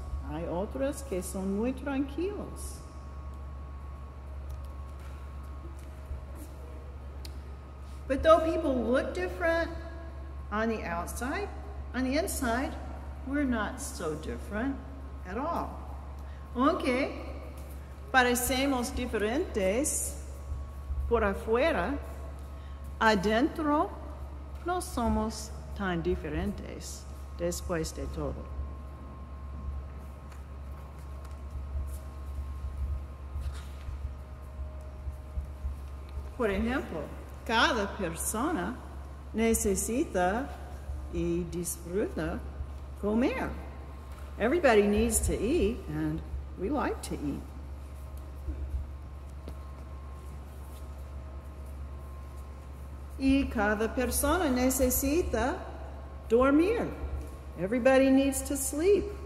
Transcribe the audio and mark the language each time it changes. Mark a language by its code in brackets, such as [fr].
[es] Hay otras que son muy tranquilos. [en] But though people look different on the outside, on the inside, we're not so different at all. [es] Aunque parecemos diferentes por afuera, adentro no somos tan diferentes después de todo. Por ejemplo, cada persona necesita y disfruta comer. [en] Everybody needs to eat, and we like to eat. [es] Y cada persona necesita dormir. [en] Everybody needs to sleep.